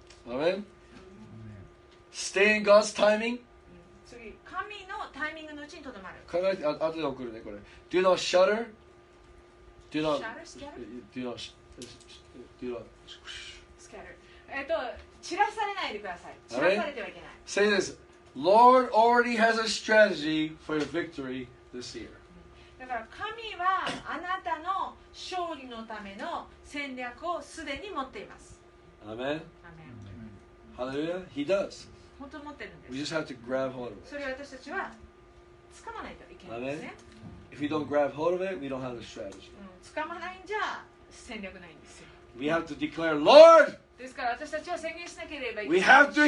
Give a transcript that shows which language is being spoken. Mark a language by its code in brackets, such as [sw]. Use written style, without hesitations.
[en] Okay? Amen? Stay in God's timing? [ja] 次、神のタイミングのうちにとどまる。考えて、あとで送るね、これ。 [en] Do not shudder. Do not shudder, scatter. Do not scatter. [ja] 散らされないでください。散らされてはいけない。 [en] Right? Say this. Lord already has a strategy for your victory this year. [ja] だから神はあなたの勝利のための戦略をすでに持っています。 [en] Amen. Amen. Hallelujah. He does. [ja] 本当持ってるんです。 [en] We just have to grab hold of it. [ja] それ私たちは掴まないといけないんですね。 [en] Amen. If we don't grab hold of it, we don't have a strategy. [ja] 掴まないんじゃ戦略ないんですよ。 [en] We have to declare, Lord! [ja] ですから私たちは宣言しなければいけません。